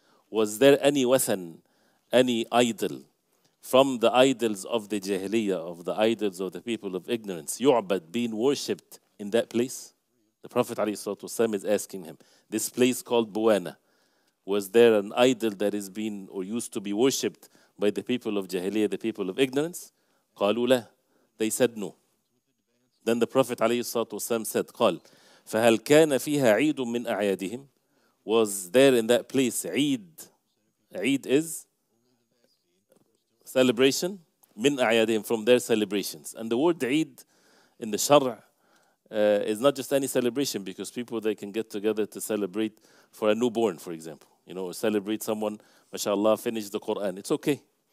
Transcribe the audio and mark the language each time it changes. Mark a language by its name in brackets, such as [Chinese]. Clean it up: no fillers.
[English] Was there any وثن, any idol from the idols of the جاهلية, of the idols of the people of ignorance, يعبد, being worshipped in that place? The Prophet ﷺ is asking him, this place called Buwana, was there an idol that is being or used to be worshipped by the people of Jahiliyyah, the people of ignorance? [Arabic] قالوا لا. [English] They said no. Then the Prophet ﷺ said, [Arabic] قال فهل كان فيها عيد من أعيادهم? [English] Was there in that place عيد? عيد is celebration. [Arabic] من أعيادهم, [English] from their celebrations. And the word عيد in the شرع, it's not just any celebration, because people, they can get together to celebrate for a newborn, for example, you know, or celebrate someone, mashallah, finished the Quran. It's okay.